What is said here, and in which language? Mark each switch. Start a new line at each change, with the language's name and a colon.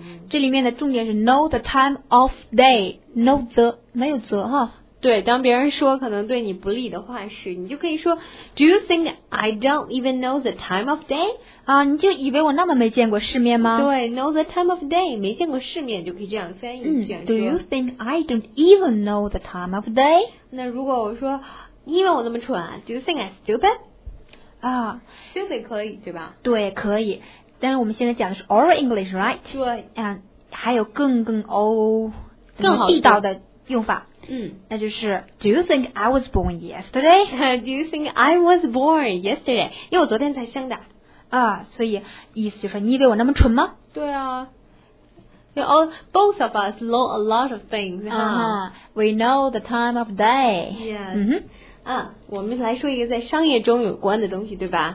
Chinese: 这里面的重点是
English: know the time of day，
Chinese: know the 没有the哈。对，当别人说可能对你不利的话时，你就可以说
English: Do you think I don't even know the time of day？
Chinese: 啊，你就以为我那么没见过世面吗？对 ，
English: know the time of day，
Chinese: 没见过世面就可以这样翻译。
English: Do you think I don't even know the time of day？
Chinese: 那如果我说，因为我那么蠢 ，
English: Do you think I'm stupid？啊
Chinese: ，stupid 可以对吧？对，可以。但是我们现在讲的是
English: oral English， right？
Chinese: 对，嗯，还有更 old 更地道的用法。嗯，
English: 那就是 Do you think I was born yesterday? Do you think I was born yesterday?
Chinese: 因为我昨天才生的啊，所以意思就是你以为我那么蠢吗？
English: 对啊， you know, both of us know a lot of things. We know the time of day. Yes.
Chinese: 我们来说一个在商业中有关的东西，对吧？